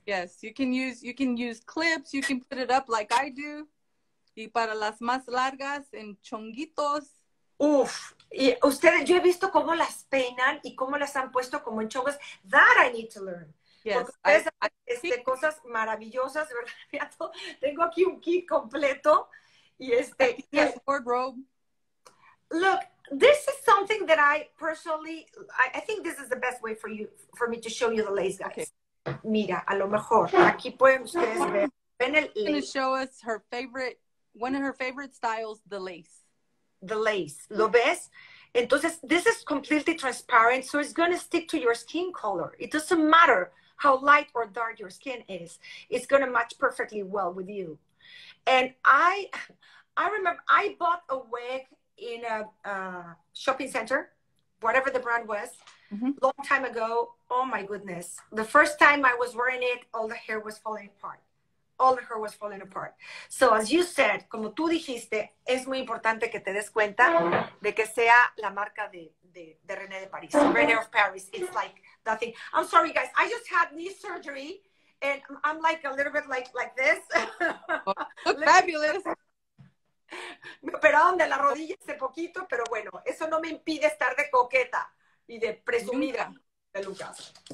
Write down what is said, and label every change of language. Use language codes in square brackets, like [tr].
[en] Yes, you can use clips, you can put it up like I do. [es] Y para las más largas, en chonguitos. Uf, y ustedes, yo he visto cómo las peinan y cómo las han puesto como en chongos. [en] That I need to learn. Yes, [es] I cosas maravillosas, ¿verdad? Tengo aquí un kit completo. Yes, [en] wardrobe. Look, this is something that I personally, I think this is the best way for me to show you the lace, guys. Okay. [es] Mira, a lo mejor, aquí pueden ustedes ver. [en] She's going to show us her favorite, one of her favorite styles, the lace. [es] The lace, ¿lo ves? Entonces, [en] this is completely transparent, so it's going to stick to your skin color. It doesn't matter how light or dark your skin is. It's going to match perfectly well with you. And I remember I bought a wig in a shopping center, whatever the brand was, mm-hmm. long time ago. Oh my goodness. The first time I was wearing it, all the hair was falling apart. All the hair was falling apart. So as you said, [es] como tú dijiste, es muy importante que te des cuenta de que sea la marca de René de París. [en] René of Paris, it's like nothing. I'm sorry guys, I just had knee surgery and I'm like a little bit like this. Look fabulous. [es] Me operaron de la rodilla hace poquito, pero bueno, eso no me impide estar de coqueta y de presumida, de Lucas.